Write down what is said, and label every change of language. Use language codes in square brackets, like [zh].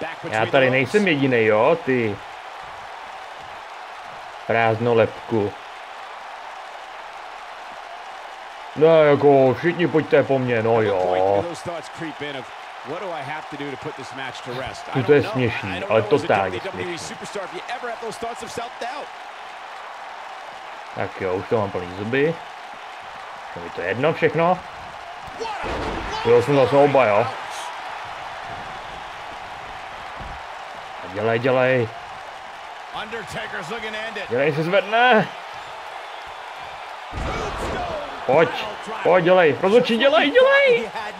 [cs] Já tady nejsem jediný, jo, ty. Prázdnou lebku. No jako, všichni pojďte po mně, no jo. [en] What do I have to do to put this match to rest? [cs] To je směšný, ale totálně směšný. [en] Superstar, if you ever have those thoughts of self-doubt. [cs] Tak jo, už to mám plný zuby. To je to jedno všechno. Jo, jsme zase oba, jo. A dělej, dělej. [en] Undertaker's looking to end it. [cs] Dělej, se zvedne. Pojď, pojď, dělej, rozhodčí, dělej, dělej.